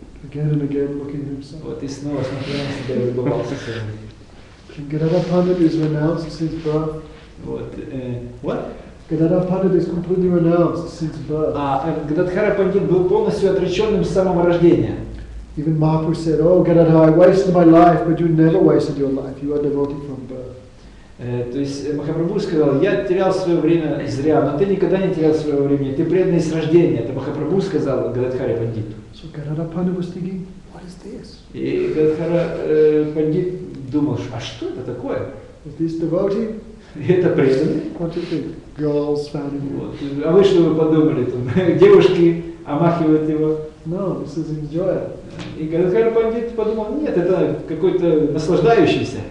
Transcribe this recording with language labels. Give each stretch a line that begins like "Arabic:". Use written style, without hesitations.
English: Again and again looking at himself.
Russian: Вот, и снова смотрел на себя и улыбался все равно.
English: Gadadhara Pandit is renounced since birth. What? What? Gadadhara Pandit is completely renounced since birth.
Russian: Гададхара Пандит был полностью отреченным с самого рождения.
English: Even Mahaprabhu said, "Oh, Gadadhara, I wasted my life, but you never wasted your life. You are devoted from birth."
Russian: То есть Махапрабху сказал: "Я терял свое время зря, но ты никогда не терял своего времени. Ты преданный с рождения." Это Махапрабху сказал Гададхаре Пандиту.
English: So Gadadhara Pandit was thinking, "What is this?"
Russian: И Гададхара Пандит думаешь, а что это такое?
English: Is this devotee?
Russian: Это преданный.
English: What do you think? Girls fanning him.
Russian: Вот. А вы что вы подумали там? Девушки омахивают его.
English: No, this is enjoyer.
Russian: И Гададхара Пандит подумал, нет, это какой-то наслаждающийся.